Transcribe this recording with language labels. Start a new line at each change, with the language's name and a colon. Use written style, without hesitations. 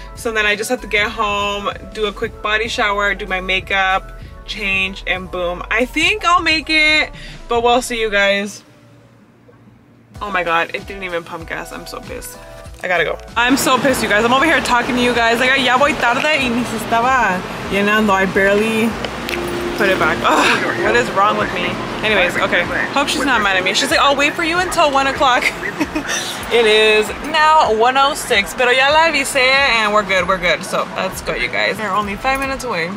English: So then I just have to get home, do a quick body shower, do my makeup, change, and boom. I think I'll make it, but we'll see, you guys. Oh my God, it didn't even pump gas. I'm so pissed. I gotta go. I'm so pissed, you guys. I'm over here talking to you guys.
Spanish: Like, ya voy tarde y ni se estaba llenando.
English: I barely put it back. Ugh, what is wrong with me? Anyways, okay. Hope she's not mad at me. She's like, I'll wait for you until 1 o'clock. It is now 1:06.
Spanish: Pero ya la avisé
English: and we're good, we're good. So let's go, you guys. They're only 5 minutes away.